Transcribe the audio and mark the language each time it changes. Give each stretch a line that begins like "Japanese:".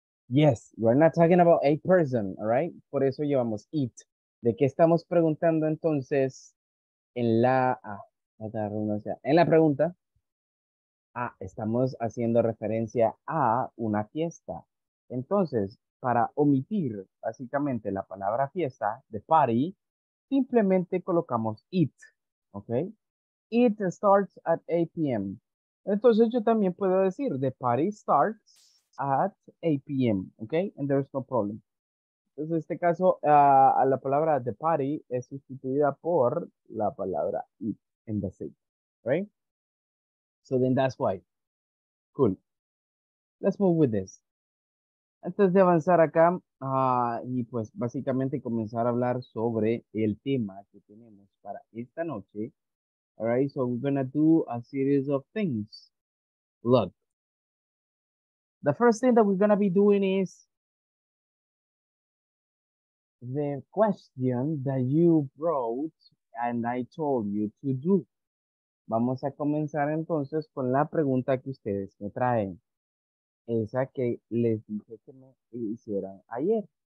English: Yes, we're not talking about a person, all right?
Spanish: Por eso llevamos it. ¿De qué estamos preguntando entonces en la pregunta? Ah, estamos haciendo referencia a una fiesta. Entonces, para omitir básicamente la palabra fiesta, the party, simplemente colocamos it, ¿ok?
English: It starts at 8 p.m.
Spanish: Entonces yo también puedo decir,
English: the party starts at 8 p.m., ¿ok? And there's no problem.
Spanish: Entonces, en este caso, a la palabra the party es sustituida por la palabra it
English: in the city, right? So then that's why. Cool. Let's move with this.
Spanish: Antes de avanzar acá y pues básicamente comenzar a hablar sobre el tema que tenemos para esta noche.
English: All right, so we're gonna do a series of things. Look. The first thing that we're gonna be doing is the question that you brought and I told you to do.
Spanish: Vamos a comenzar entonces con la pregunta que ustedes me traen. Esa que les dije que me hicieran ayer.